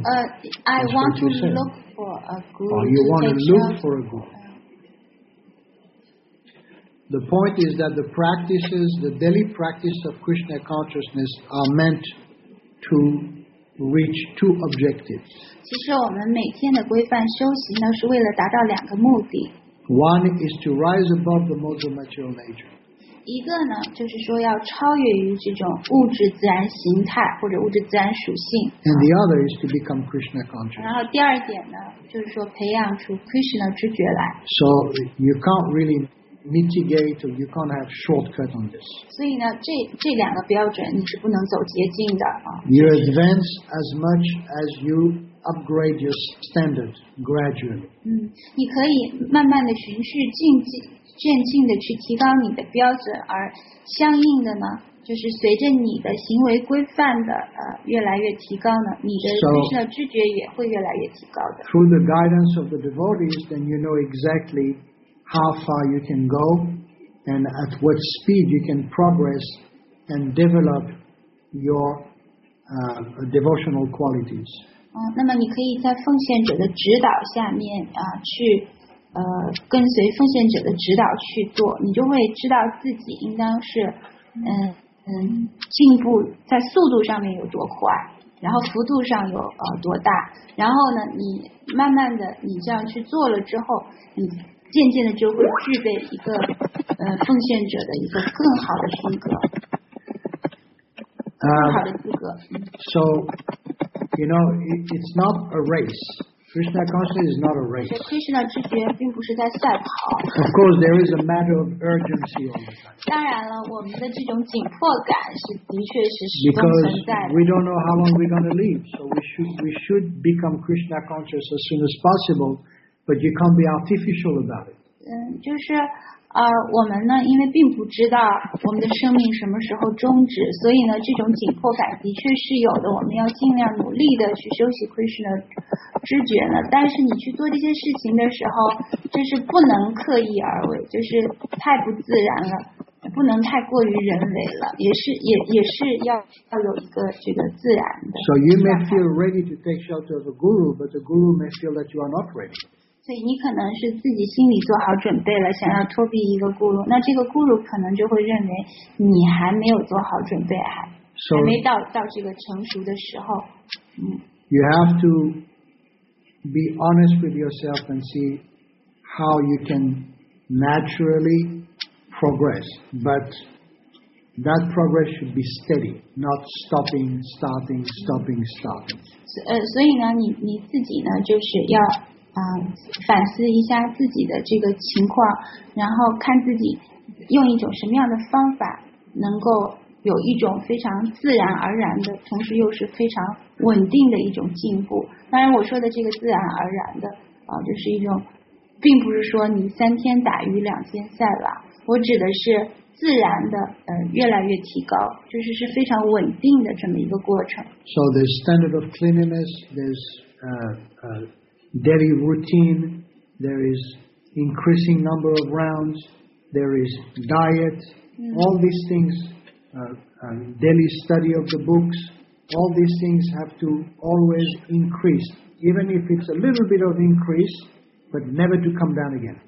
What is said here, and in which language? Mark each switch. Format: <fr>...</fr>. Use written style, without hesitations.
<en>I want to look for a guru. Oh, you want to look for a guru. The point is that the practices, the daily practice of Krishna consciousness, are meant to reach two objectives.</en> <zh>其实我们每天的规范修习呢，是为了达到两个目的。</zh> <en>One is to rise above the modal material nature.</en> <zh>一个呢，就是说要超越于这种物质自然形态或者物质自然属性。</zh> <en>And the other is to become Krishna conscious.</en> <zh>然后第二点呢，就是说培养出 Krishna 知觉来。</zh> <en>So you can't really mitigate or you can't have shortcut on this.</en> <zh>所以呢，这两个标准你是不能走捷径的。</zh> <en>You advance as much as you. Upgrade your standard gradually.</en> <zh>你可以慢慢的循序渐进的去提高你的标准，而相应的呢，就是随着你的行为规范的越来越提高呢，你的Krishna知觉也会越来越提高的。</zh> <en>Through the guidance of the devotees, then you know exactly how far you can go and at what speed you can progress and develop your devotional qualities.</en> <zh>那么你可以在奉献者的指导下面去跟随奉献者的指导去做，你就会知道自己应当是进步在速度上面有多快，然后幅度上有多大，然后呢你慢慢的你这样去做了之后，你渐渐的就会具备一个奉献者的一个更好的性格，更好的资格。</zh> <en>So you know it's not a race. Krishna consciousness is not a race.</en> <zh>Krishna 知觉并不是在赛跑。</zh> <en>Of course there is a matter of urgency.</en> <zh>当然了，我们的这种紧迫感是的确是十分存在。</zh> <en>Because we don't know how long we're going to live, so we should become Krishna conscious as soon as possible. But you can't be artificial about it.</en> <zh>就是我们呢，因为并不知道我们的生命什么时候终止，所以呢，这种紧迫感的确是有的。我们要尽量努力的去修习 Krishna 知觉呢。但是你去做这些事情的时候，就是不能刻意而为，就是太不自然了，不能太过于人为了，也是要有一个这个自然的。</zh> <en>So you may feel ready to take shelter of a guru, but the guru may feel that you are not ready.</en> <zh>所以你可能是自己心里做好准备了，想要脱离一个guru，那这个guru可能就会认为你还没有做好准备，还没到这个成熟的时候。</zh> <en>You have to be honest with yourself and see how you can naturally progress, but that progress should be steady, not stopping, starting, stopping, starting.</en> <zh>所以呢，你自己呢，就是要。反思一下自己的这个情况，然后看自己用一种什么样的方法能够有一种非常自然而然的，同时又是非常稳定的一种进步。当然我说的这个自然而然的就是一种，并不是说你三天打鱼两天晒网，我指的是自然的越来越提高，就是非常稳定的这么一个过程。</zh> <en>So there's standard of cleanliness, there's daily routine, there is increasing number of rounds, there is diet, all these things, daily study of the books, all these things have to always increase, even if it's a little bit of increase, but never to come down again.</en>